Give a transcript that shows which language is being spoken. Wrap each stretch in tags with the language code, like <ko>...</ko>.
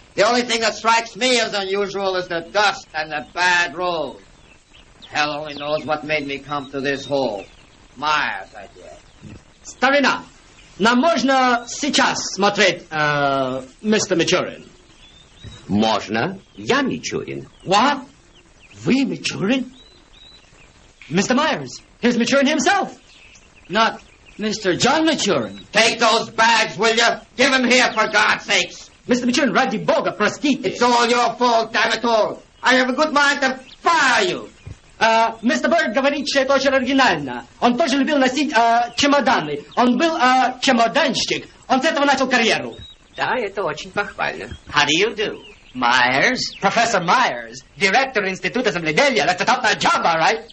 <en>The only thing that strikes me as unusual is the dust and the bad road. Hell only knows what made me come to this hole. Myers, I guess.</en> <ru>Старина, нам можно сейчас смотреть, мистер Мичурин? Можно. Я Мичурин.</ru> <en>What?</en> <ru>Вы Мичурин?</ru> <en>Mr. Myers, here's Мичурин himself. Not Mr. John Мичурин. Take those bags, will you? Give them here, for God's sakes. Mr.</en> <ru>Мичурин, ради бога, простите.</ru> <en>It's all your fault, damn it all. I have a good mind to fire you.</en> <ru>Мистер Берг говорит, что это очень оригинально. Он тоже любил носить чемоданы. Он был чемоданщик. Он с этого начал карьеру. Да, это очень похвально.</ru> <en>How do you do? Myers?</en> <ru>Профессор Myers, директор Института земледелия.</ru> <en>That's a top-notch job, all right?</en>